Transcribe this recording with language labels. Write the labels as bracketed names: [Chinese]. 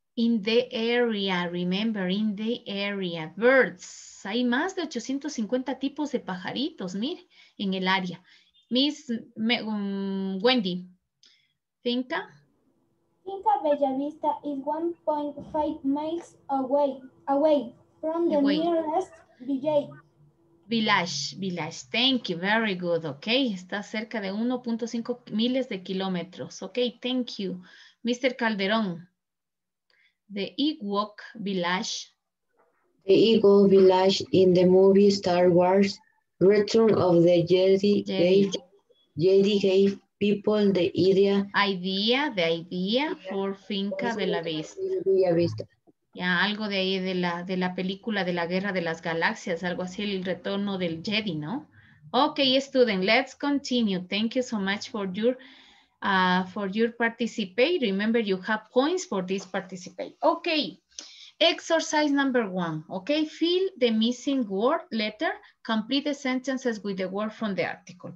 [English] In the area, remember, in the area, birds. [Spanish] Hay más de 850 tipos de pajaritos, mire, en el área. [English] Miss Wendy, Finca. Finca Bellavista is 1.5 miles away from the nearest village. Village, thank you, very good, ok. [Spanish] Está cerca de 1.5 miles de kilómetros, [English] ok, thank you. Mr. Calderón. The Ewok Village. The Ewok Village in the movie Star Wars, Return of the Jedi. Jedi gave people the idea. The idea for Finca Bellavista. [Spanish] Ya, algo de ahí, de la película de la Guerra de las Galaxias, algo así, el retorno del Jedi, ¿no? [English] Okay, student, let's continue. Thank you so much for your... for your participate, remember you have points for this participate. Okay, exercise number one. Okay, fill the missing word letter. Complete the sentences with the word from the article.